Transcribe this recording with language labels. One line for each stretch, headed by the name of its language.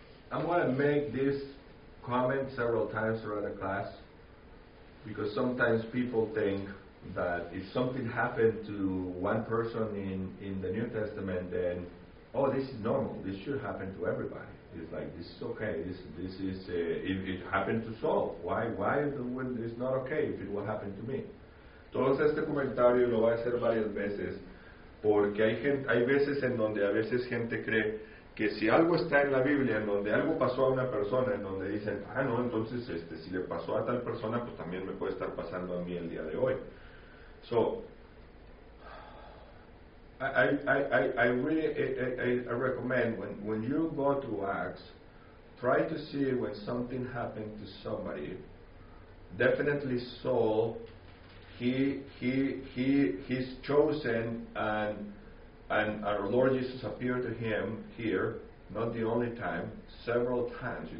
English: I'm going to make this comment several times throughout the class, because sometimes people think that if something happened to one person in the New Testament, then, oh, this is normal. This should happen to everybody. It's like, this is okay. If it happened to Saul, why would it not okay if it would happen to me?
Spanish: Todo este comentario lo voy a hacer varias veces, porque hay veces en donde a veces gente cree que si algo está en la Biblia, en donde algo pasó a una persona, en donde dicen, no, entonces si le pasó a tal persona, pues también me puede estar pasando a mí el día de hoy.
English: So, I recommend when you go to Acts, try to see when something happened to somebody. Definitely Saul, he's chosen and our Lord Jesus appeared to him here, not the only time, several times.